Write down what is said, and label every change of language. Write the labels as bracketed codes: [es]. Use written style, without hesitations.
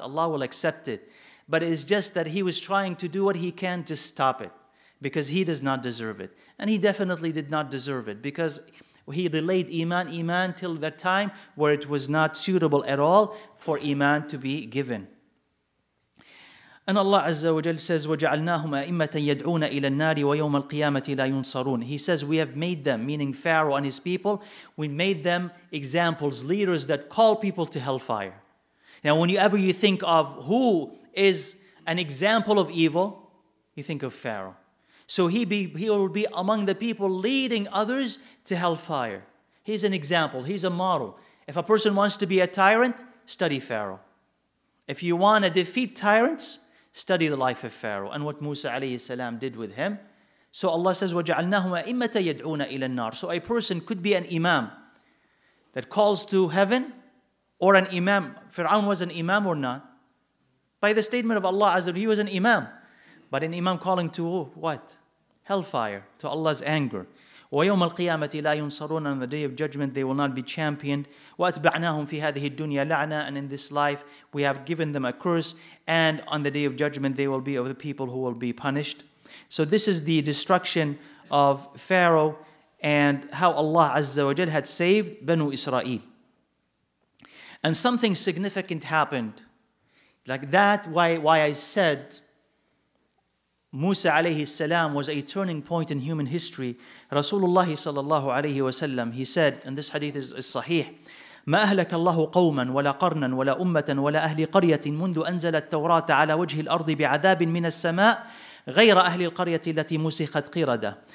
[en] Allah will accept it. But it's just that he was trying to do what he can to stop it, because he does not deserve it. And he definitely did not deserve it, because he delayed iman till that time where it was not suitable at all for iman to be given. And Allah Azza wa Jal says, [ar] وَجَعَلْنَاهُمْ أَئِمَّةً يَدْعُونَ إِلَى النَّارِ وَيَوْمَ الْقِيَامَةِ لَا يُنصَرُونَ. [en] He says, we have made them, meaning Pharaoh and his people, we made them examples, leaders that call people to hellfire. Now, whenever you think of who is an example of evil, you think of Pharaoh. So he will be among the people leading others to hellfire. He's an example. He's a model. If a person wants to be a tyrant, study Pharaoh. If you want to defeat tyrants, study the life of Pharaoh and what Musa alayhi salam did with him. So Allah says, [ar] وَجَعَلْنَاهُمَ أَئِمَّةً يَدْعُونَ إِلَى النَّارِ. [en] So a person could be an imam that calls to heaven, or an imam. Fir'aun was an imam or not? By the statement of Allah Azza, he was an imam. But an imam calling to what? Hellfire, to Allah's anger. [ar] وَيَوْمَ الْقِيَامَةِ لَا يُنصَرُونَ. [en] On the day of judgment, they will not be championed. [ar] وَأَتْبَعْنَاهُمْ فِي هَذِهِ الدُّنْيَا لَعْنَا. [en] And in this life, we have given them a curse. And on the day of judgment, they will be of the people who will be punished. So this is the destruction of Pharaoh and how Allah Azza wa Jal had saved Banu Israel. And something significant happened. Like that, why I said Musa alayhi salam was a turning point in human history. Rasulullah sallallahu alayhi wa sallam, he said, and this hadith is sahih, [ar] مَا أَهْلَكَ اللَّهُ قَوْمًا وَلَا قَرْنًا وَلَا أُمَّةً وَلَا أَهْلِ قَرْيَةٍ مُنْذُ أَنْزَلَ التَّوْرَاةَ عَلَى وَجْهِ الْأَرْضِ بِعَذَابٍ مِنَ السَّمَاءِ غَيْرَ أَهْلِ الْقَرْيَةِ الَّتِي مُسِخَتْ قِرَدَةً.